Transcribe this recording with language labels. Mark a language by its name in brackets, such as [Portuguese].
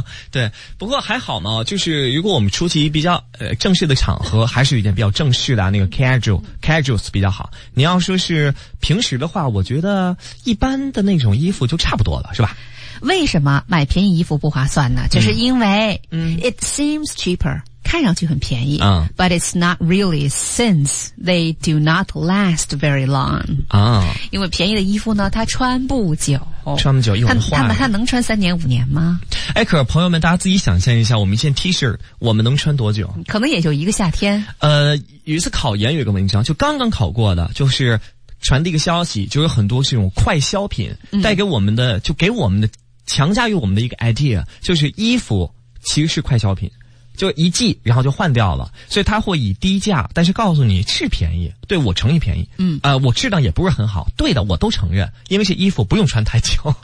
[Chinese] 对，不过还好嘛，就是如果我们出席比较正式的场合，还是有一点比较正式的那个 casuals 比较好。你要说是平时的话，我觉得一般的那种衣服就差不多了，是吧？为什么买便宜衣服不划算呢？就是因为 [English] It seems cheaper， [Chinese] 看上去很便宜， [English] But it's not really since they do not last very long。 [Chinese] 因为便宜的衣服呢，它穿不久。穿不久一会儿坏了。它能穿三年五年吗？哎，可是朋友们，大家自己想象一下，我们一件 T 恤我们能穿多久？可能也就一个夏天。有一次考研有一个文章，就刚刚考过的，就是传递一个消息，就有很多这种快消品，带给我们的，就给我们的强加于我们的一个 idea， 就是衣服其实是快消品，就一季然后就换掉了，所以它会以低价，但是告诉你是便宜，对我诚意便宜，我质量也不是很好，对的，我都承认，因为这衣服不用穿太久。